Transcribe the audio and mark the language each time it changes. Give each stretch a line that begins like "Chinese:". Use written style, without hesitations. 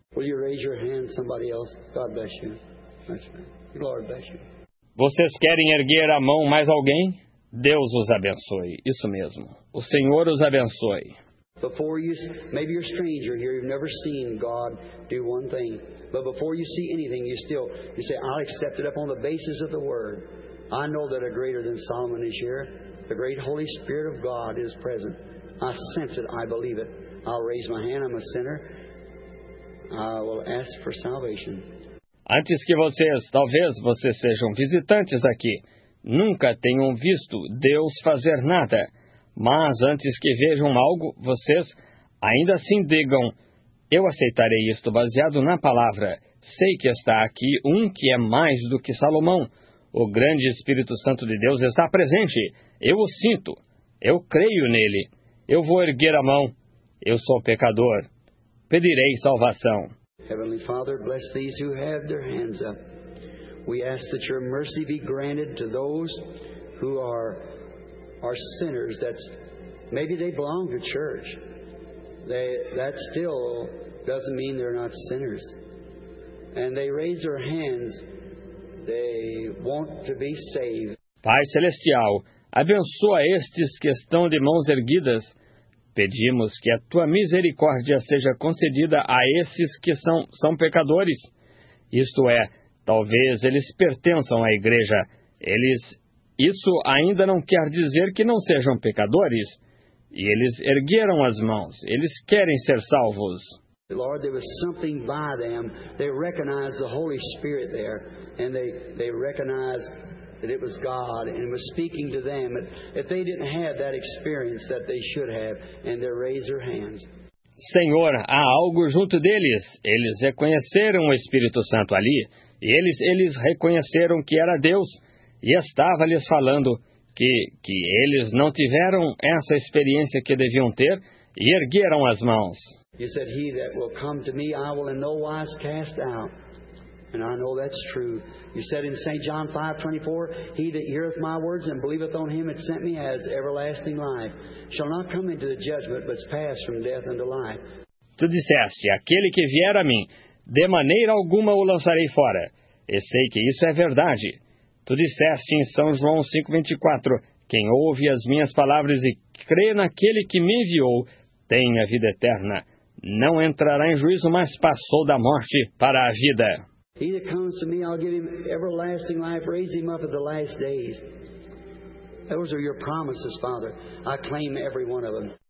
English: Will you raise your hand, somebody else? God bless you. Bless you. Lord bless you.
Portuguese: Vocês querem erguer a mão mais alguém? Deus os abençoe. Isso mesmo. O Senhor os abençoe.
English: Before you, maybe you're a stranger here, you've never seen God do one thing. But before you see anything, you say, I'll accept it up on the basis of the Word. I know that a greater than Solomon is here. The great Holy Spirit of God is present. I sense it. I believe it. I'll raise my hand. I'm a sinner. I will ask for salvation.
Portuguese: Antes que vocês, talvez vocês sejam visitantes aqui, nunca tenham visto Deus fazer nada. Mas antes que vejam algo, vocês ainda assim digam, eu aceitarei isto baseado na palavra. Sei que está aqui um que é mais do que Salomão. O grande Espírito Santo de Deus está presente. Eu o sinto. Eu creio nele. Eu vou erguer a mão. Eu sou pecador. Pedirei salvação.
English: Heavenly Father, bless these who have their hands up. We ask that your mercy be granted to those who are sinners. That's maybe they belong to church. That still doesn't mean they're not sinners. And they raise their hands. They want to be saved.
Portuguese: Pai Celestial, abençoa estes que estão de mãos erguidas. Pedimos que a tua misericórdia seja concedida a esses que são pecadores. Isto é, talvez eles pertençam à igreja. Isso ainda não quer dizer que não sejam pecadores. E eles ergueram as mãos. Eles querem ser salvos.
English: Lord, there was something by them. They recognized the Holy Spirit there. And they recognized that it was God and was speaking to them. If they didn't have that experience that they should have, and they raise their hands.
Portuguese: Senhor, há algo junto deles. Eles reconheceram o Espírito Santo ali. E eles reconheceram que era Deus. E estava lhes falando que eles não tiveram essa experiência que deviam ter e ergueram as mãos.
English: You said, he that will come to me, I will in no wise cast out. And I know that's true. You said in St. John 5:24, he that heareth my words and believeth on him that sent me has everlasting life, shall not come into the judgment, but pass from death unto life.
Portuguese: Tu disseste, aquele que vier a mim, de maneira alguma o lançarei fora. E sei que isso é verdade. Tu disseste em São João 5:24, quem ouve as minhas palavras e crê naquele que me enviou, tem a vida eterna. Não entrará em juízo, mas passou da morte para a vida.
English: He that comes to me, I'll give him everlasting life, raise him up at the last days. Those are your promises, Father. I claim every one of them.